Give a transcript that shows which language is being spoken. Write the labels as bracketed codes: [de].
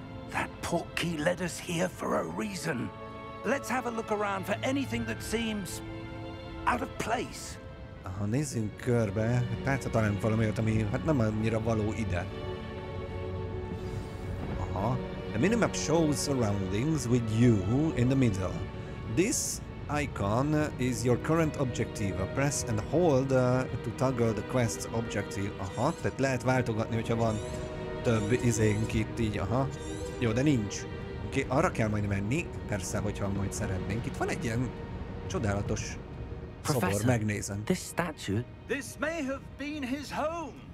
[en] That portkey led us here for a reason. Let's have a look around for anything that seems out of place. [hu] Ha nézzünk körbe, tehát talán valami olyat, ami hát nem annyira való ide. Aha. [en] The minimap shows surroundings with you in the middle. This icon is your current objective. Press and hold to toggle the quest's objective. [hu] Aha, tehát lehet váltogatni, hogyha van több izénk itt így, aha. Jó, de nincs. Oké, arra kell majd menni, persze, hogyha majd szeretnénk. Itt van egy ilyen csodálatos szobor, [en] Professor, [hu] megnézem. [en] This statue? This may have been his home.